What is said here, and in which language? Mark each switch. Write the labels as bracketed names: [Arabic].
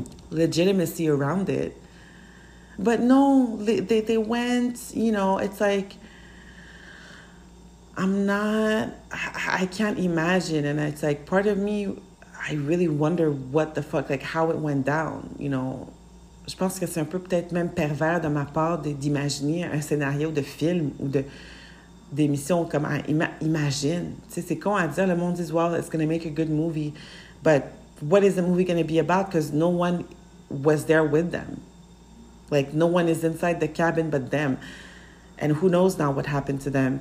[English] legitimacy around it. But no, they went, you know, it's like, I can't imagine. And it's like, part of me, I really wonder what the fuck, like how it went down, you know. [French] Je pense que c'est un peu peut-être même pervers de ma part d'imaginer un scénario de film ou de d'émission comme imagine. Tu sais, c'est con à dire, le monde dit, [English] well, it's going to make a good movie. But what is the movie going to be about? Because no one was there with them. Like, no one is inside the cabin but them. And who knows now what happened to them?